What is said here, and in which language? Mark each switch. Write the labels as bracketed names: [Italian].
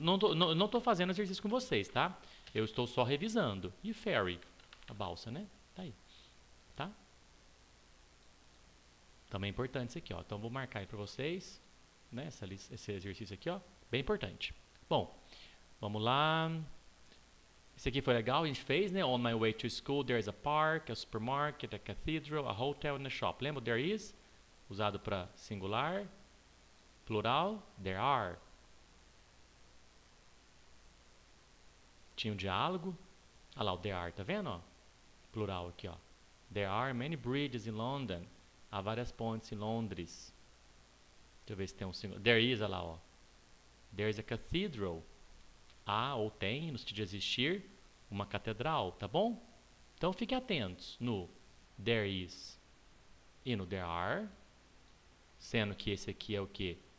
[Portuguese] Não tô fazendo exercício com vocês, tá? Eu estou só revisando. E ferry, a balsa, né? Tá aí. tá? Também é importante isso aqui, ó. Então, eu vou marcar aí para vocês, né, esse exercício aqui, ó. Bem importante. Bom, vamos lá. Esse aqui foi legal, a gente fez, né? [English] On my way to school, there's a park, a supermarket, a cathedral, a hotel and a shop. [Portuguese] Lembra? There is, usado para singular. Plural, there are. Tinha um diálogo. Olha lá, o there are, tá vendo? Ó? Plural aqui, ó. [English] There are many bridges in London. [Portuguese] Há várias pontes em Londres. Deixa eu ver se tem um singular. There is, olha lá, ó. [English] There is a cathedral. [Portuguese] Há ou tem, no sentido de existir. Uma catedral, tá bom? Então fiquem atentos no there is e no there are, sendo que esse aqui é o quê?